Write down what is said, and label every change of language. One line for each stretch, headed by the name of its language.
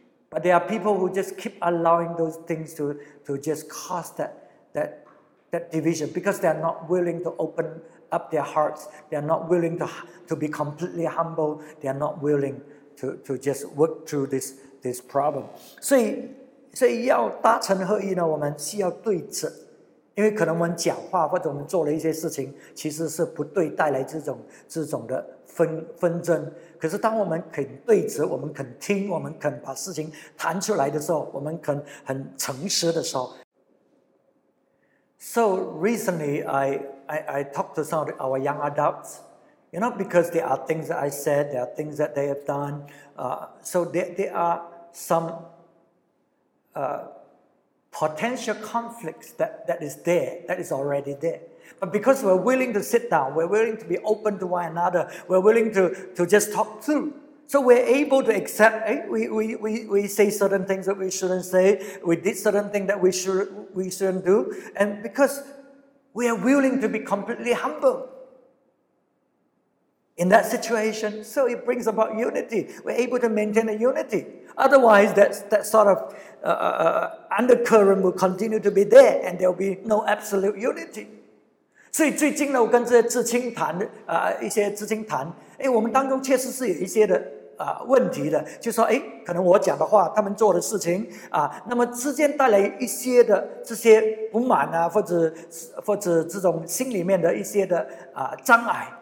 English: But there are people who just keep allowing those things to just cause that division, because they are not willing to open up their hearts. They are not willing to be completely humble. They are not willing to just work through this problem.
Chinese: 所以要达成合一呢，我们需要对质，因为可能我们讲话或者我们做了一些事情，其实是不对，带来这种的纷争。可是当我们肯对质，我们肯听，我们肯把事情谈出来的时候，我们肯很诚实的时候。
English: So recently, I talked to some of our young adults, you know, because there are things that I said, there are things that they have done. So there are some potential conflicts that is there, that is already there. But because we're willing to sit down, we're willing to be open to one another, we're willing to just talk through. So we're able to accept, hey, we say certain things that we shouldn't say, we did certain things that we shouldn't do, and because we are willing to be completely humble in that situation, so it brings about unity. We're able to maintain a unity. Otherwise, that sort of undercurrent will continue to be there, and there will be no absolute unity.
Chinese: 所以最近呢，我跟这些知青谈，一些知青谈，哎，我们当中确实是有一些的问题的，就说，哎，可能我讲的话，他们做的事情啊，那么之间带来一些的这些不满啊，或者这种心里面的一些的障碍。